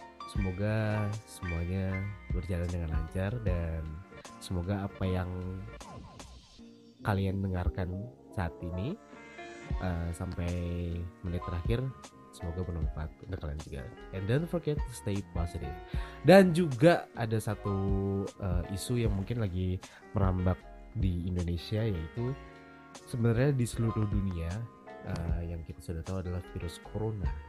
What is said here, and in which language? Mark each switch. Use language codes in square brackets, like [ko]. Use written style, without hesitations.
[id] Semoga semuanya berjalan dengan lancar, dan semoga apa yang kalian dengarkan saat ini sampai menit terakhir semoga bermanfaat untuk kalian juga. [en] And don't forget to stay positive. [id] Dan juga ada satu isu yang mungkin lagi merambak di Indonesia, yaitu sebenarnya di seluruh dunia yang kita sudah tahu adalah virus corona.